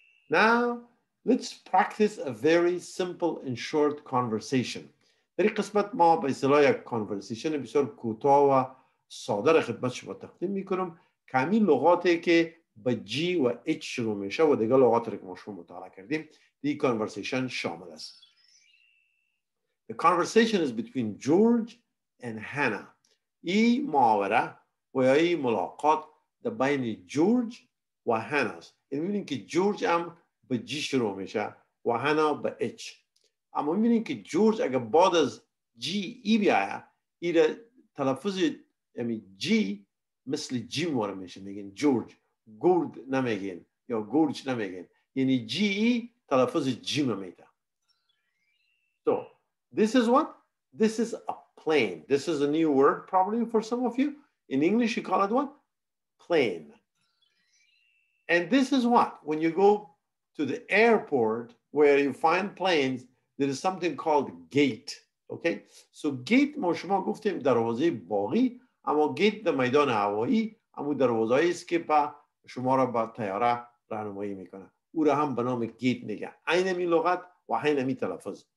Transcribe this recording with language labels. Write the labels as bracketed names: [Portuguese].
[English] Now, let's practice a very simple and short conversation. [Persian] در قسمت ما به اصطلاح کانورسیشن بسیار کوتاه و ساده را خدمت شما تقدیم میکنم. کمی لغاتی که با جی و اچ شروع میشه و دیگه لغات را که ما شما مطالعه کردیم دی کانورسیشن شامل است. [English] The conversation is between George and Hannah. [Persian] ای معاوره و یا ای ملاقات در بین جورج و هانه است. این میبینیم که جورج هم به جی شروع میشه و هانه به اچ. اما میبینیم که جورج اگر بعد از جی ای بیایه ای را تلفظ یعنی جی مثل جیم واره میشه میگین جورج گورد نمیگین یا گورج نمیگین یعنی جی ای تلفظ جیم رو میده. [English] So this is what? This is a plane. This is a new word probably for some of you. In English you call it what? Plane. And this is what? When you go to the airport where you find planes, there is something called gate. Okay? [Persian] So gate, ما شما گفتیم دروازه باغی، اما gate در میدان هوایی، اما دروازه هایی است که با شما را با طیاره راهنمایی میکنه. او را هم به نام gate میگه. عین همین لغت و عین همین تلفظ.